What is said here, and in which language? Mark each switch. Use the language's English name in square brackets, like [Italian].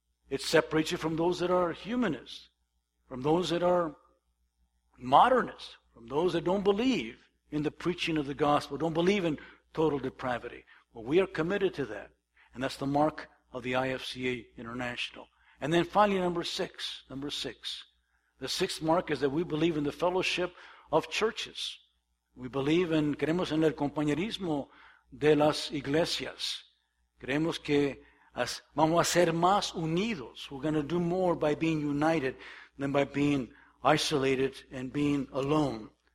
[English] It separates you from those that are humanists, from those that are modernists, from those that don't believe in the preaching of the gospel, don't believe in total depravity. Well, we are committed to that. And that's the mark of the IFCA International. And then finally, number six. The sixth mark is that we believe in the fellowship of churches. We believe in, [Spanish] creemos en el compañerismo de las iglesias. Creemos que vamos a ser más unidos. [English] We're going to do more by being united than by being isolated and being alone.